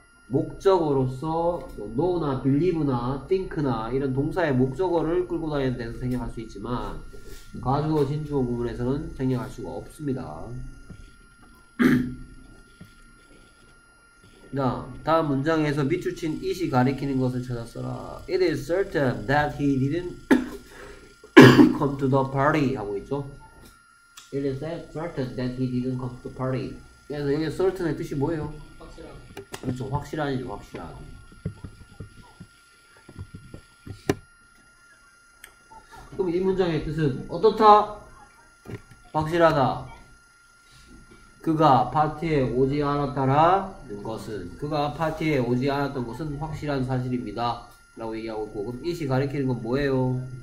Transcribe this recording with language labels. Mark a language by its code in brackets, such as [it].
[ko] 목적어로서 know나 believe나 think나 이런 동사의 목적어를 끌고 다니는 데서 생략할 수 있지만 과주어 진주어 부분에서는 생략할 수가 없습니다. 자, 다음 문장에서 밑줄 친 it이 가리키는 것을 찾았어라. [en] It is certain that he didn't come to the party [ko] 하고 있죠. [en] It is certain that he didn't come to the party. [ko] 그래서 여기 certain의 뜻이 뭐예요? 확실한. 그렇죠, 확실하니죠, 확실한. 그럼 이 문장의 뜻은 어떻다? 확실하다. 그가 파티에 오지 않았다라는 것은 그가 파티에 오지 않았던 것은 확실한 사실입니다 라고 얘기하고 있고, 그럼 it이 가리키는 건 뭐예요?